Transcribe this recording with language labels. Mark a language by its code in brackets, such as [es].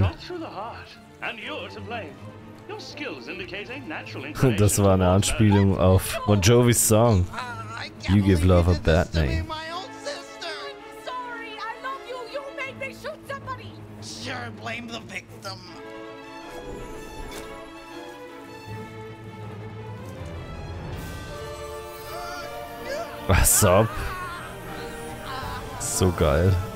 [en] Shot through the heart, and you're to blame. Your skills indicate a natural inclination. [de] Das war eine Anspielung auf Bon Jovi's Song. [en] You give love a bad name. My own sister. I'm sorry, I love you, you made me shoot somebody. Sure, blame the victim. Was up? [de] So geil.